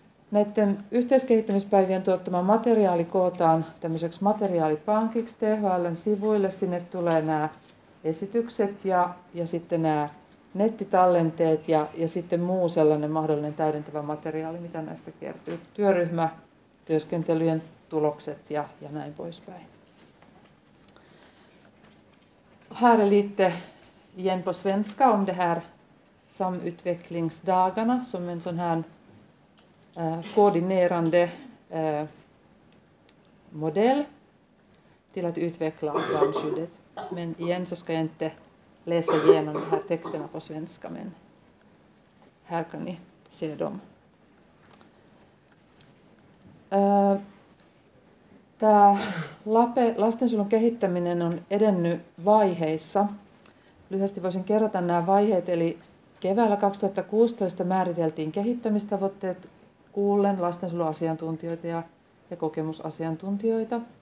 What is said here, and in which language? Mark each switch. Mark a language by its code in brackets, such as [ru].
[fi] Näiden yhteiskehittämispäivien tuottama materiaali kootaan tämmöiseksi materiaalipankiksi THL:n sivuille. Sinne tulee nämä esitykset ja sitten nämä nettitallenteet ja sitten muu sellainen mahdollinen täydentävä materiaali, mitä näistä kertyy. Työryhmä, työskentelyjen tulokset ja näin poispäin. [sv] Här lite igen på svenska om det här samutvecklingsdagarna som en sån här koordinerande modell till att utveckla barnskyddet. Men igen så ska jag inte läsa igenom de här texterna på svenska, men här kan ni se dem. [fi] Tämä lastensuojelun kehittäminen on edennyt vaiheissa. Lyhyesti voisin kerrata nämä vaiheet, eli keväällä 2016 määriteltiin kehittämistavoitteet kuullen lastensuojeluasiantuntijoita ja kokemusasiantuntijoita.